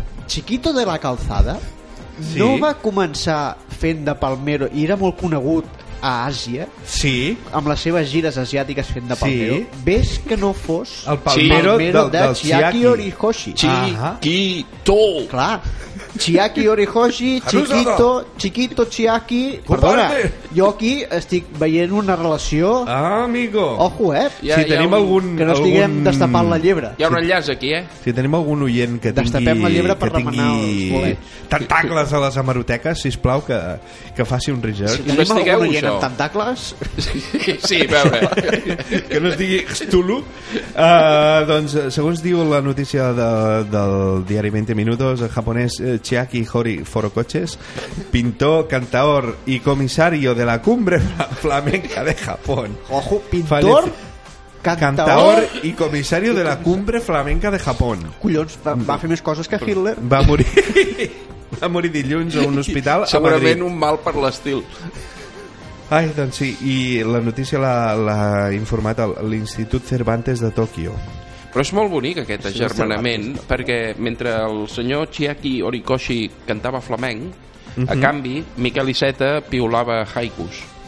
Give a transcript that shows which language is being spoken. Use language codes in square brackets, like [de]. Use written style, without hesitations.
[ca] Chiquito de la Calzada, sí. No va començar fent de palmero i era molt conegut a Àsia, sí, amb les seves gires asiàtiques fent de palmero, sí. Ves que no fos el palmero, sí, palmero del Chiaki Horikoshi. Chiquito, clar, Chiaki Horikoshi, Chiquito, Chiquito Chiaki. Perdona, jo aquí estic veient una relació. [es] Ah, amigo. Ojo, [ca] si tenim algun, que no estiguem algun... destapant la llebre. Hi ha un enllaç aquí, Si tenim algun oient que tingui... destapem la llebre per tingui... remenar els bolets. Tentacles a les hemeroteques, sisplau, que faci un research. Si tenim algun oient amb tentacles... Sí, a veure. Que no es digui Xtulu. Doncs, segons diu la notícia del diari 20 minutos, el japonès... [es] Chiaki Hori Forocoches, pintor, cantaor y comisario de la cumbre flamenca de Japón. Ojo, pintor, cantaor y comisario de la cumbre flamenca de Japón. [ca] Collons, va fer més coses que Hitler. Va morir dilluns a un hospital. Segurament un mal per l'estil. Ai, doncs sí, i la notícia l'ha informat l'Institut Cervantes de Tòquio. Però és molt bonic aquest agermanament, sí, perquè mentre el senyor Chiaki Horikoshi cantava flamenc, a canvi, Miquel Iceta piulava haikus.